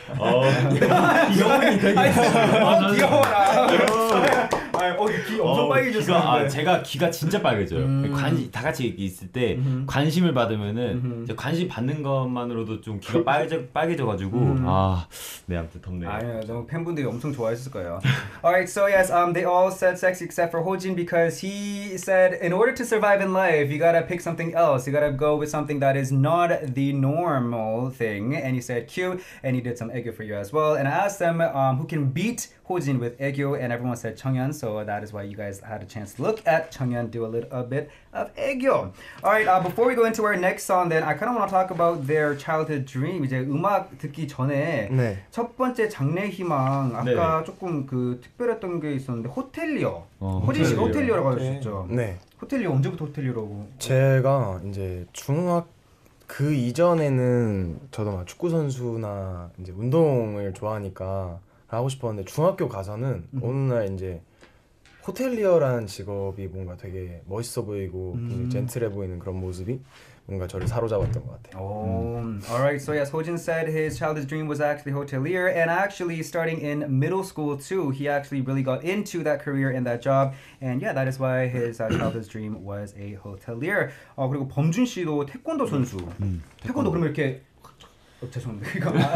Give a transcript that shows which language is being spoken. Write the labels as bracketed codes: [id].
[ko] 귀여워라. 귀 엄청 빨개졌어. 아 제가 귀가 진짜 빨개져요. 관심 다 같이 있을 때 관심을 받으면은 관심 받는 것만으로도 좀 귀가 빨개져가지고 아 네 아무튼 덥네요. 아니요 너무 팬분들이 엄청 좋아했을 거예요. [en] Alright, so yes, they all said sexy except for Hojin because he said in order to survive in life, you gotta pick something else. You gotta go with something that is not the normal thing, and he said cute, and he did some aegyo for you as well. And I asked them who can beat Hojin with aegyo, and everyone said Chungyeon, so that is why you guys had a chance to look at Chungyeon do a bit of aegyo. Alright, before we go into our next song, then I kind of want to talk about their childhood dream. [ko] 이제 음악 듣기 전에 네. 첫 번째 장래 희망 아까 네. 조금 그 특별했던 게 있었는데 호텔리어. 호진 씨 호텔리어라고 하셨죠. 네. 호텔리어 언제부터 호텔리어라고? 제가 이제 중학 그 이전에는 저도 막 축구 선수나 이제 운동을 좋아하니까 하고 싶었는데 중학교 가서는 어느 날 이제 호텔리어라는 직업이 뭔가 되게 멋있어 보이고 젠틀해 보이는 그런 모습이 뭔가 저를 사로잡았던 것 같아요. [en] All right, so yes, Hojin said his childhood dream was actually hotelier, and actually starting in middle school too, he actually really got into that career and that job, and yeah, that is why his childhood dream was a hotelier. [ko] 아 그리고 범준 씨도 태권도 선수. 태권도 그러면 이렇게 죄송합니다.